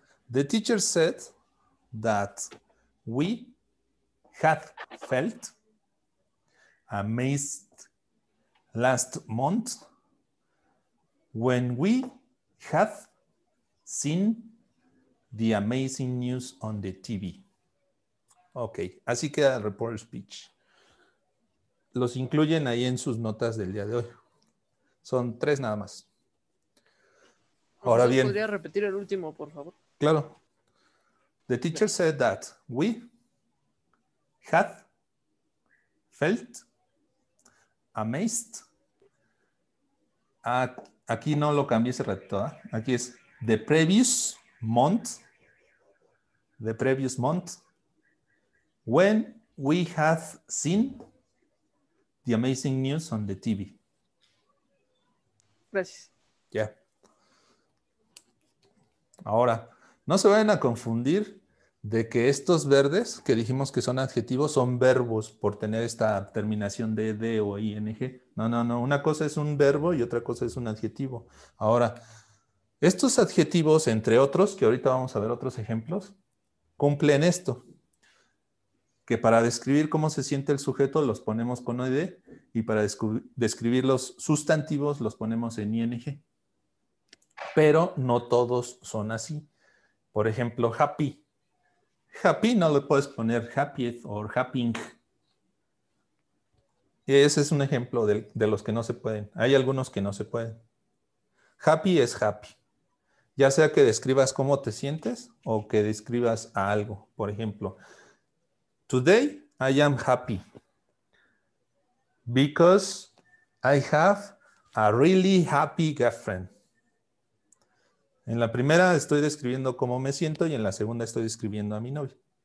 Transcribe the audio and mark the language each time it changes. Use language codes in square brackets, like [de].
[en] The teacher said that we had felt amazed last month when we had seen the amazing news on the TV. [es] Ok, así queda el report speech. Los incluyen ahí en sus notas del día de hoy. Son tres nada más. Ahora bien. ¿Podría repetir el último, por favor? Claro. [en] The teacher said that we had felt amazed. [es] Aquí no lo cambié ese ratito, ¿eh? Aquí es [en] the previous month. The previous month, when we had seen the amazing news on the TV. [es] Gracias. Ya. Yeah. Ahora, no se vayan a confundir de que estos verdes que dijimos que son adjetivos son verbos por tener esta terminación de ed o ing. No, no, no. Una cosa es un verbo y otra cosa es un adjetivo. Ahora, estos adjetivos, entre otros, que ahorita vamos a ver otros ejemplos, cumplen esto, que para describir cómo se siente el sujeto los ponemos con OED y para describir los sustantivos los ponemos en ING. Pero no todos son así. Por ejemplo, happy. Happy no le puedes poner happieth o happing. Ese es un ejemplo de los que no se pueden. Hay algunos que no se pueden. Happy es happy. Ya sea que describas cómo te sientes o que describas a algo. Por ejemplo, [en] today I am happy because I have a really happy girlfriend. [es] En la primera estoy describiendo cómo me siento y en la segunda estoy describiendo a mi novia.